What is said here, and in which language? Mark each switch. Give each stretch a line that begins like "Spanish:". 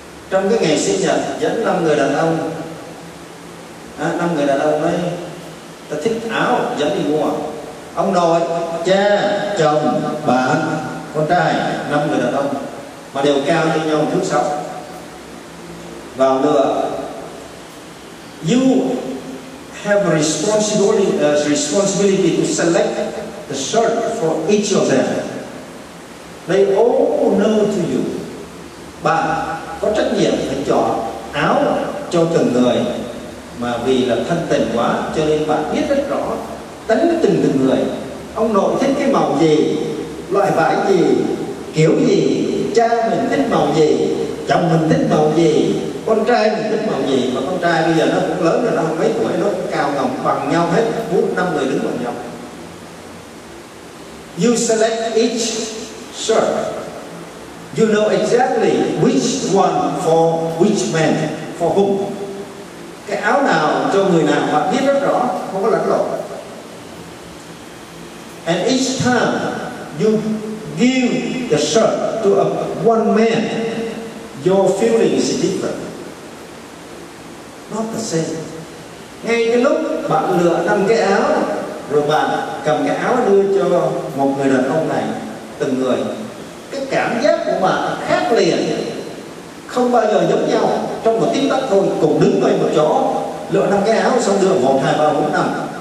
Vietnamese: Trong cái ngày sinh nhật dẫn năm người đàn ông, năm người đàn ông ấy ta thích áo dẫn đi mua. Ông nội, cha, chồng, bạn, con trai, năm người đàn ông mà đều cao như nhau thứ sáu vào nữa.
English: You have responsibility to select the shirt for each of them. They all know to you.
Vietnamese: Bạn có trách nhiệm phải chọn áo cho từng người, mà vì là thân tình quá cho nên bạn biết rất rõ tính từng người. Ông nội thích cái màu gì, loại vải gì, kiểu gì, cha mình thích màu gì, chồng mình thích màu gì, con trai mình thích màu gì. Mà con trai bây giờ nó cũng lớn rồi, nó không mấy tuổi, nó cao ngọc bằng nhau hết, bốn năm người đứng bằng nhau.
English: You select each shirt. You know exactly which one for which man, for whom.
Vietnamese: Cái áo nào cho người nào bạn biết rất rõ, không có lẫn lộn.
English: And each time you give the shirt to one man, your feeling is different. Not the same.
Vietnamese: Ngay cái lúc bạn lựa năm cái áo, rồi bạn cầm cái áo đưa cho một người đàn ông này, từng người, cái cảm giác của bạn khác liền, không bao giờ giống nhau. Trong một tiếng tắc thôi, cùng đứng ngay một chỗ, lựa năm cái áo xong đưa 1, 2, 3, 4, 5.